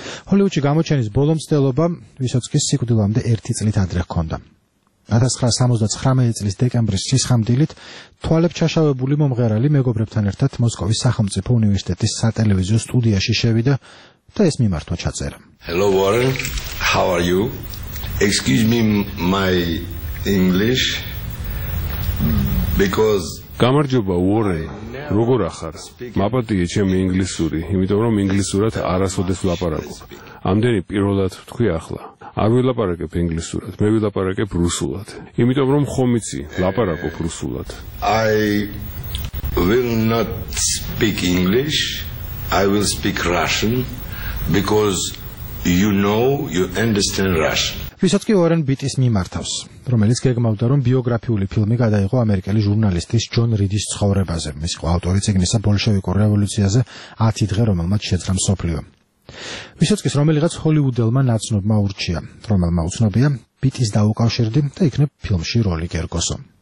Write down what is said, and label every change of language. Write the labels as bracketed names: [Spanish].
[Georgian] ჰოლივუდში გამოჩენის ბოლო მცდელობა ვისოცკის სიკვდილამდე ერთი წლით ადრე ჰქონდა. 1979 წლის დეკემბრის სისხამდილით თვალებჩაშავებული მომღერალი მეგობრებთან ერთად მოსკოვის სახელმწიფო უნივერსიტეტის სატელევიზიო სტუდიაში შევიდა და ეს მიმართვა ჩაწერა. [English] Hello Warren, how are you? Excuse me my English because [Georgian] გამარჯობა ვორენ, როგორ ახარ? მაპატიე ჩემი ინგლისური, იმიტომ რომ ინგლისურად არასოდეს ვლაპარაკობ. ამდენი პირველად ვთქვი ახლა. არ ვილაპარაკებ ინგლისურად, მე ვილაპარაკებ რუსულად. იმიტომ რომ ხომ იცი, ლაპარაკობ რუსულად. [English] I will not speak English. I will speak Russian because you know, you understand Russian. [Georgian] ვისაც კი ვარენ ბიტის მიმართავს, რომელიც გეგმავდა, რომ ბიოგრაფიული ფილმი გადაიღო ამერიკელი ჟურნალისტის ჯონ რიდის ცხოვრებაზე, მის ყოავტორი ციგნისა ბოლშევიკურ რევოლუციაზე 10 დღე, რომელმაც შეძრა მსოფლიო. ვისაც კი რომელიღაც ჰოლივუდელმა ნაცნობმა ურჩია, რომელმა უცნობია ბიტის დაუკავშირდი და იქნებ ფილმში როლი გერგოსო.